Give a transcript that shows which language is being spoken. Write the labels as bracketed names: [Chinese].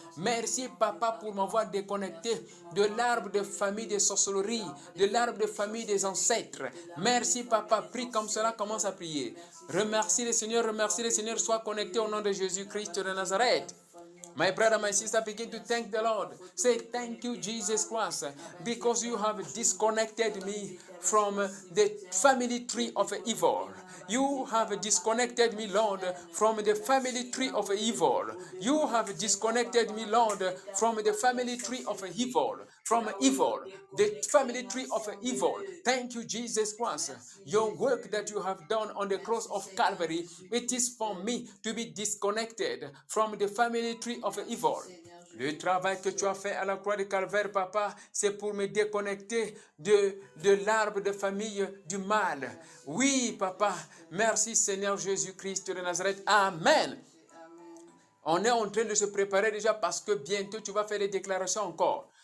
[French] Merci, papa, pour m'avoir déconnecté de l'arbre de famille de sorcellerie, de l'arbre de famille des ancêtres. Merci, papa, prie comme cela, commence à prier. Remercie le Seigneur, sois connecté au nom de Jésus-Christ de Nazareth. [English] My brother, my sister, begin to thank the Lord. Say, thank you, Jesus Christ, because you have disconnected me from the family tree of evil. You have disconnected me, Lord, from the family tree of evil. You have disconnected me, Lord, from the family tree of evil. From evil, the family tree of evil. Thank you, Jesus Christ. Your work that you have done on the cross of Calvary, it is for me to be disconnected from the family tree of evil. [French] Le travail que tu as fait à la croix de Calvaire, papa, c'est pour me déconnecter de l'arbre de famille du mal. Oui, papa, merci Seigneur Jésus-Christ de Nazareth. Amen. On est en train de se préparer déjà parce que bientôt tu vas faire les déclarations encore.